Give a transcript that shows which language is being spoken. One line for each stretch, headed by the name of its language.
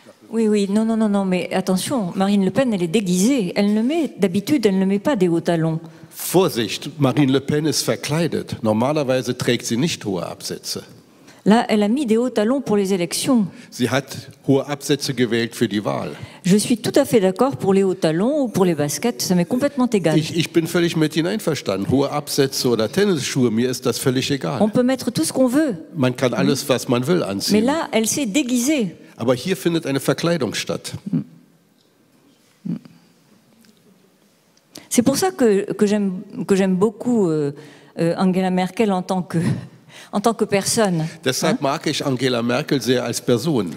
French: Oui, oui, non, non, non, non, mais attention, Marine Le Pen, elle est déguisée. Elle ne met, d'habitude, elle ne met pas des hauts talons.
German: Vorsicht, Marine Le Pen ist verkleidet. Normalerweise trägt sie nicht hohe Absätze.
French: Là, elle a mis des hauts talons pour les élections.
German: Sie hat hohe Absätze gewählt für die Wahl.
French: Je suis tout à fait d'accord pour les hauts talons ou pour les baskets, ça m'est complètement égal.
German: Ich bin völlig mit Ihnen einverstanden. Hohe Absätze oder Tennisschuhe, mir ist das völlig egal.
French: On peut mettre tout ce qu'on veut.
German: Man kann alles, was man will, anziehen.
French: Mais là, elle s'est déguisée.
German: Aber hier findet eine Verkleidung statt.
French: C'est pour ça que j'aime beaucoup Angela Merkel en tant que personne.
German: Deshalb mag ich Angela Merkel sehr als Person.